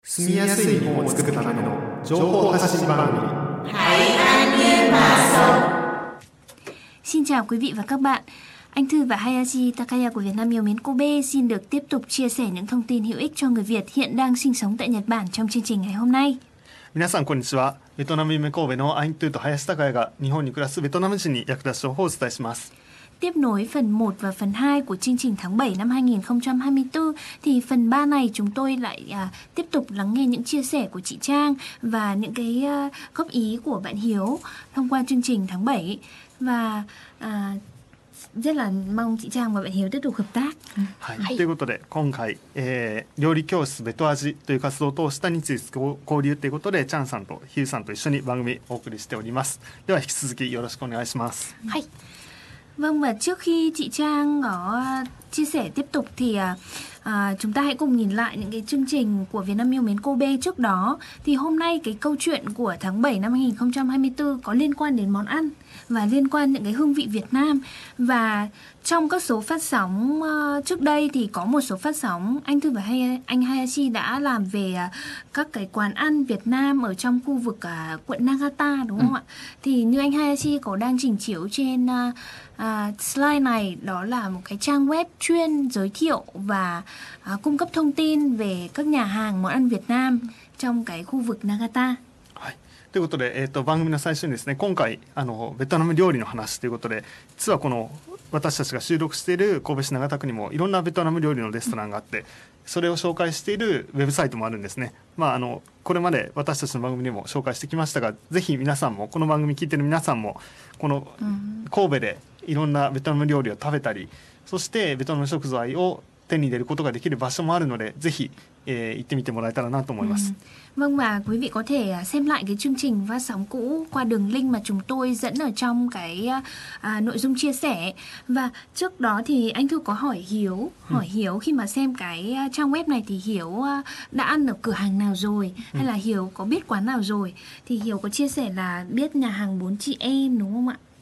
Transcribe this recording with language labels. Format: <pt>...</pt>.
<ja>住みやすい日本を作るための情報発信番組台湾ニューマーソン。</ja> <vi>Xin chào quý vị và các bạn. Anh Thư và Hayashi Takaya của Việt Nam Yêu Mến Kobe xin được tiếp tục chia sẻ những thông tin hữu ích cho người Việt hiện đang sinh sống tại Nhật Bản trong chương trình ngày hôm nay.</vi> <ja>皆さんこんにちは。ベトナム夢神戸のアイントゥーと林隆也が日本に暮らすベトナム人に役立つ情報をお伝えします。</ja> <vi>Tiếp nối phần 1 và phần 2 của chương trình tháng 7 năm 2024 thì phần 3 này chúng tôi lại tiếp tục lắng nghe những chia sẻ của chị Trang và những cái góp ý của bạn Hiếu thông qua chương trình tháng 7 và rất là mong chị Trang và bạn Hiếu tiếp tục hợp tác.</vi> <ja>ということで今回料理教室ベトアジという活動を通した日々交流ということでチャンさんとヒューさんと一緒に番組をお送りしております。では引き続きよろしくお願いします。はい。</ja> <vi>Vâng, và trước khi chị Trang có chia sẻ tiếp tục thì chúng ta hãy cùng nhìn lại những cái chương trình của Việt Nam Yêu Mến Kobe trước đó. Thì hôm nay cái câu chuyện của tháng 7 năm 2024 có liên quan đến món ăn và liên quan những cái hương vị Việt Nam. Và trong các số phát sóng trước đây thì có một số phát sóng anh Thư và anh Hayashi đã làm về các cái quán ăn Việt Nam ở trong khu vực quận Nagata, đúng không ạ? Thì như anh Hayashi có đang trình chiếu trên slide này, đó là một cái trang web chuyên giới thiệu và cung cấp thông tin về các nhà hàng món ăn Việt Nam trong cái khu vực Nagata.</vi> <ja>ということで、番組の最初にですね、今回ベトナム料理の話ということで、実はこの私たちが収録している神戸市長田区にもいろんなベトナム料理のレストランがあって、それを紹介しているウェブサイトもあるんですね。まあこれまで私たちの番組でも紹介してきましたが、ぜひ皆さんも、この番組聞いている皆さんも、この神戸でいろんなベトナム料理を食べたり、そしてベトナム食材を手に入れることができる場所もあるので、ぜひ行ってみてもらえたらなと思います。</ja> <vi>Vâng, và quý vị có thể xem lại cái chương trình phát sóng cũ qua đường link mà chúng tôi dẫn ở trong cái nội dung chia sẻ. Và trước đó thì anh Thư có hỏi Hiếu khi mà xem cái trang web này thì Hiếu đã ăn ở cửa hàng nào rồi, hay là Hiếu có biết quán nào rồi, thì Hiếu có chia sẻ là biết nhà hàng bốn chị em, đúng không ạ?</vi>